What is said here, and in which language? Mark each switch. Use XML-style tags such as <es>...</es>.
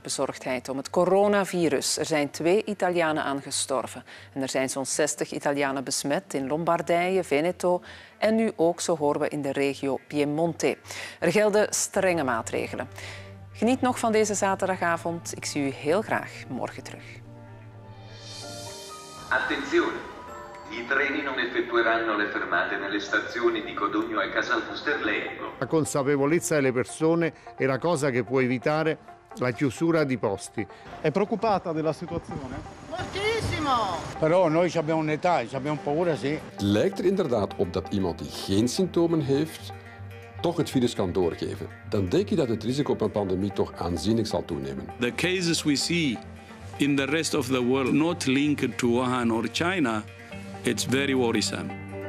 <nl>Bezorgdheid om het coronavirus. Er zijn 2 Italianen aangestorven. En er zijn zo'n 60 Italianen besmet in Lombardije, Veneto en nu ook, zo horen we, in de regio Piemonte. Er gelden strenge maatregelen. Geniet nog van deze zaterdagavond. Ik zie u heel graag morgen terug.</nl> <it>Attenzione! I treni non effettueranno le fermate nelle stazioni di Codogno e Casal Pusterlengo. La consapevolezza delle persone è la cosa che può evitare la chiusura di posti. È preoccupata della situazione? Moltissimo! Però noi abbiamo un'età, abbiamo paura, sì.</it> <nl>Lijkt er inderdaad op dat iemand die geen symptomen heeft, toch het virus kan doorgeven, dan denk je dat het risico op een pandemie toch aanzienlijk zal toenemen.</nl> <en>The cases we see in the rest of the world not linked to Wuhan or China, it's very worrisome.</en>